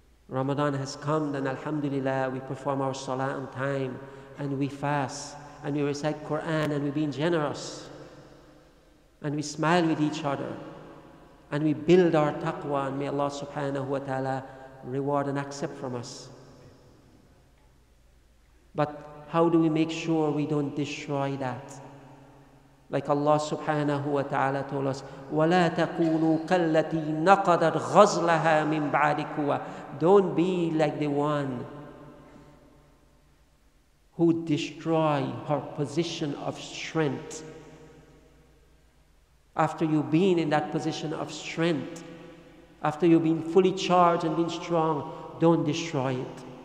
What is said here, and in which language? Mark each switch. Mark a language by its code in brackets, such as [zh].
[en] Ramadan has come, and alhamdulillah, we perform our salah on time, and we fast, and we recite Quran, and we're being generous, and we smile with each other, and we build our taqwa, and may Allah subhanahu wa ta'ala reward and accept from us. But how do we make sure we don't destroy that? Like Allah subhanahu wa ta'ala told us, [ar] وَلَا تَكُونُوا كَالَّتِي نَقَدَتْ غَزْلَهَا مِنْ بَعْدِ كُوَى. [en] Don't be like the one who destroy her position of strength. After you've been in that position of strength, after you've been fully charged and been strong, don't destroy it.